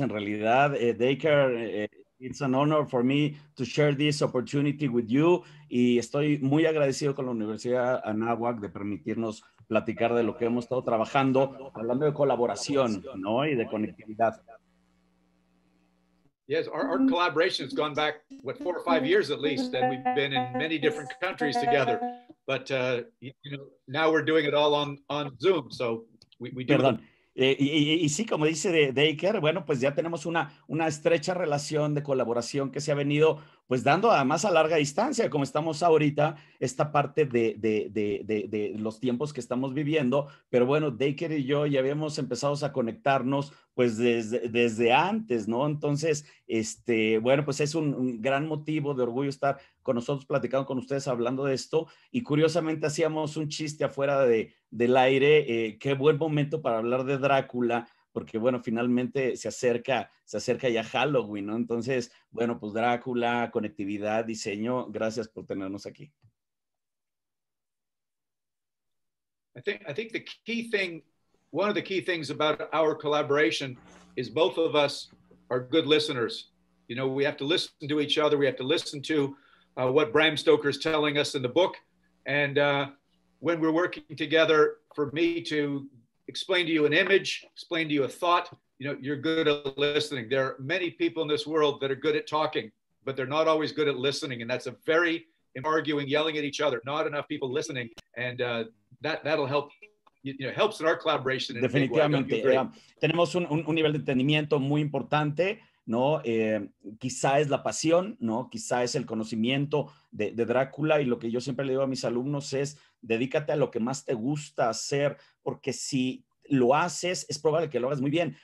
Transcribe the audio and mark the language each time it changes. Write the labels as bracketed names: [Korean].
[English] En realidad, Dacre, it's an honor for me to share this opportunity with you. [Spanish] Y estoy muy agradecido con la Universidad Anáhuac de permitirnos platicar de lo que hemos estado trabajando, hablando de colaboración, ¿no? Y de conectividad. [English] Yes, our collaboration has gone back, what, 4 or 5 years at least, and we've been in many different countries together. But you know, now we're doing it all on Zoom, so we do. [Spanish] Perdón. Y sí, como dice Dacre, bueno, pues ya tenemos una estrecha relación de colaboración que se ha venido pues dando además a larga distancia, como estamos ahorita, esta parte de los tiempos que estamos viviendo. Pero bueno, Dacre y yo ya habíamos empezado a conectarnos pues desde antes, ¿no? Entonces, bueno, pues es un gran motivo de orgullo estar con nosotros platicando con ustedes, hablando de esto. Y curiosamente hacíamos un chiste afuera del aire, qué buen momento para hablar de Drácula, porque bueno, finalmente se acerca ya Halloween, ¿no? Entonces, bueno, pues Drácula, conectividad, diseño, gracias por tenernos aquí. [English] I think the key thing, one of the key things about our collaboration is both of us are good listeners. You know, we have to listen to each other, we have to listen to what Bram Stoker is telling us in the book, and when we're working together, for me to explain to you an image, explain to you a thought, you know, you're good at listening. There are many people in this world that are good at talking, but they're not always good at listening. And that's a very arguing, yelling at each other, not enough people listening. And that'll help, you know, helps in our collaboration. [Spanish] Definitivamente. Tenemos un nivel de entendimiento muy importante, ¿no? Quizá es la pasión, ¿no? Quizá es el conocimiento de Drácula. Y lo que yo siempre le digo a mis alumnos es, dedícate a lo que más te gusta hacer, porque si lo haces, es probable que lo hagas muy bien.